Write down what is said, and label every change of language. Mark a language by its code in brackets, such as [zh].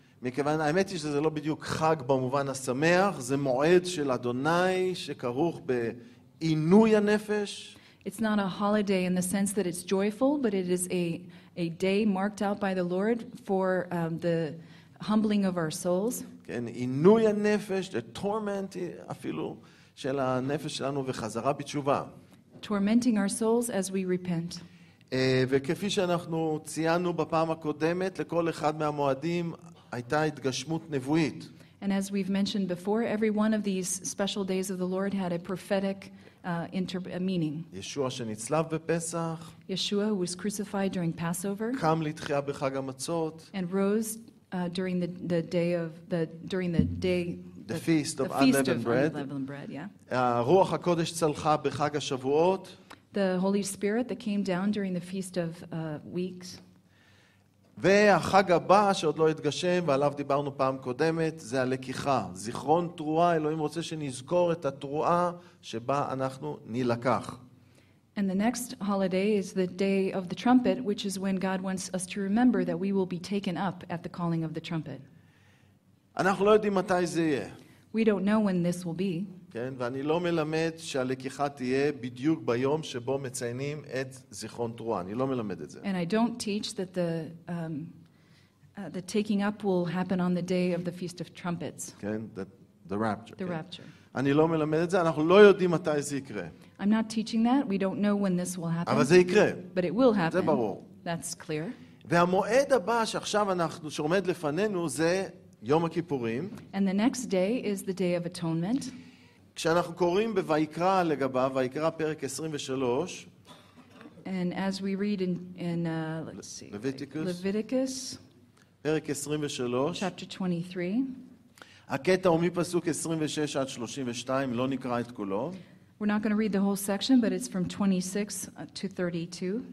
[he] מכיוון האמת היא שזה לא בדיוק חג במובן השמח, זה מועד של אדוני שכרוך בעינוי הנפש. [en] It's not a holiday in the sense that it's joyful, but it is a day marked out by the Lord for the humbling of our souls. [he] כן, עינוי הנפש, [en] the torment [he] אפילו של הנפש שלנו וחזרה בתשובה. [en] Tormenting our souls as we repent. [he] וכפי שאנחנו ציינו בפעם הקודמת, לכל אחד מהמועדים הייתה התגשמות נבואית. [en] And as we've mentioned before, every one of these special days of the Lord had a prophetic meaning. [he] ישועה שנצלב בפסח. [en] Yeshua who was crucified during Passover. [he] קם לתחייה בחג המצות. [en] And rose during the feast of unleavened bread. [he] רוח הקודש צלחה בחג השבועות. [en] The Holy Spirit that came down during the feast of weeks. [he] והחג הבא שעוד לא התגשם ועליו דיברנו פעם קודמת, זה הלקיחה, זיכרון תרועה. אלוהים רוצה שנזכור את התרועה שבה אנחנו נלקח. [en] And the next holiday is the day of the trumpet, which is when God wants us to remember that we will be taken up at the calling of the trumpet. [he] אנחנו לא יודעים מתי זה יהיה. [en] We don't know when this will be. [he] כן, ואני לא מלמד שהלקיחה תהיה בדיוק ביום שבו מציינים את זיכרון תרועה. אני לא מלמד את זה. [en] And I don't teach that the taking up will happen on the day of the Feast of Trumpets. כן, the rapture. The rapture. [he] אני לא מלמד את זה, אנחנו לא יודעים מתי זה יקרה. [en] I'm not teaching that. We don't know when this will happen. [he] אבל זה יקרה. [en] But it will happen. [he] זה ברור. [en] That's clear. [he] והמועד הבא שעכשיו אנחנו שעומד לפנינו זה יום הכיפורים. [en] And the next day is the Day of Atonement. [he] כשאנחנו קוראים בויקרא לגביו, ויקרא פרק 23. [en] And as we read in Leviticus. Leviticus. [he] פרק 23. [en] Chapter 23. [he] הקטע הוא מפסוק 26 עד 32, לא נקרא את כולו. [en] We're not going to read the whole section, but it's from 26 to 32.